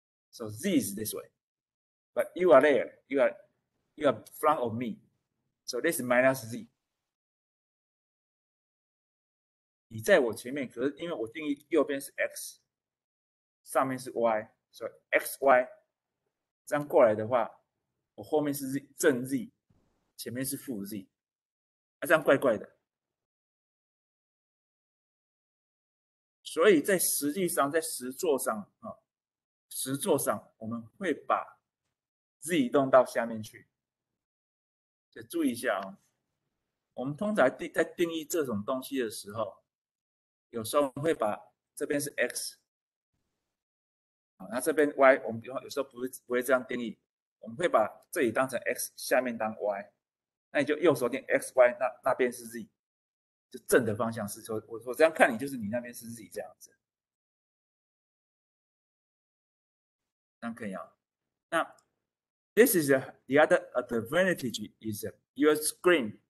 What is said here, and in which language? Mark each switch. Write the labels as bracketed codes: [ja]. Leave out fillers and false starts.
[en] So z is this way, but you are there, you are front of me. So this is minus z. [zh] 你在我前面，可是因为我定义右边是 x， 上面是 y， 所以 xy 这样过来的话，我后面是 z, 正 z， 前面是负 z， 啊，这样怪怪的。所以在实际上，在实作上啊，实作上我们会把 z 移动到下面去，就注意一下啊。我们通常在定义这种东西的时候，有时候会把这边是 x， 那这边 y， 我们有时候不会这样定义，我们会把这里当成 x， 下面当 y， 那你就右手定 xy， 那边是 z， 就正的方向是说，我这样看你就是你那边是 z 这样子，这样可以啊。 [en] 那 this is the other advantage is your screen。